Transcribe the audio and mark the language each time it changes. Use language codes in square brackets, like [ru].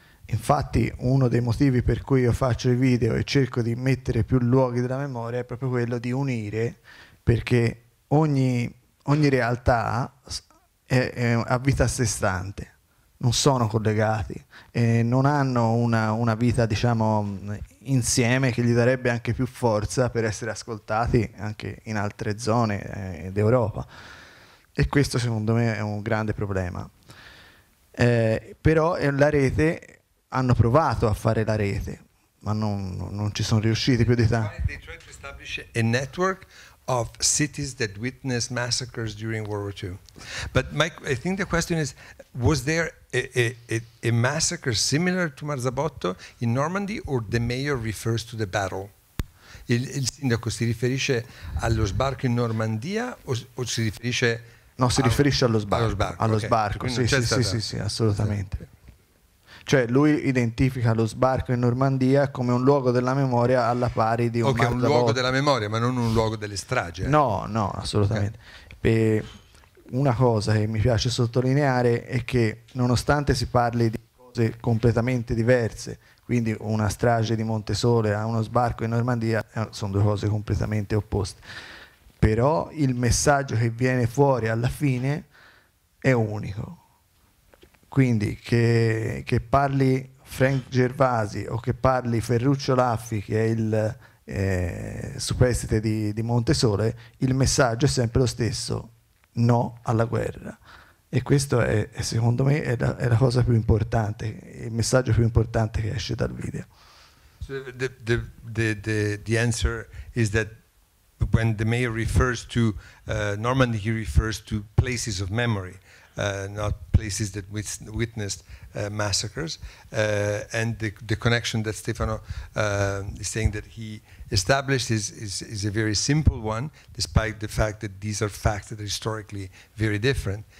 [it] Infatti uno dei motivi per cui io faccio i video e cerco di mettere più luoghi della memoria è proprio quello di unire, perché ogni realtà è a vita a sé stante, non sono collegati, non hanno una vita, diciamo, insieme, che gli darebbe anche più forza per essere ascoltati anche in altre zone d'Europa. E questo secondo me è un grande problema. Però la rete, hanno provato a fare la rete, ma non ci sono riusciti più di tanto. [en] They tried to establish a network of cities that witnessed massacres during World War II. But Mike, I think the question is, was there a massacre similar to Marzabotto in Normandy, or the mayor refers to the battle? [it] Il sindaco si riferisce allo sbarco in Normandia o si riferisce... No, si riferisce allo sbarco. Allo sbarco. Sì, assolutamente. Cioè lui identifica lo sbarco in Normandia come un luogo della memoria alla pari di un Marzabotto. Ok, un luogo della memoria, ma non un luogo delle stragi. No, assolutamente. Okay. E una cosa che mi piace sottolineare è che, nonostante si parli di cose completamente diverse, quindi una strage di Monte Sole a uno sbarco in Normandia sono due cose completamente opposte, però il messaggio che viene fuori alla fine è unico. Quindi che parli Frank Gervasi o che parli Ferruccio Laffi, che è il superstite di Monte Sole, il messaggio è sempre lo stesso: no alla guerra. E questo è secondo me è la cosa più importante, il messaggio più importante che esce dal video. [en] So the answer is that when the mayor refers to Normandy, he refers to places of memory, not places that witnessed massacres. And the connection that Stefano is saying that he established is a very simple one, despite the fact that these are facts that are historically very different.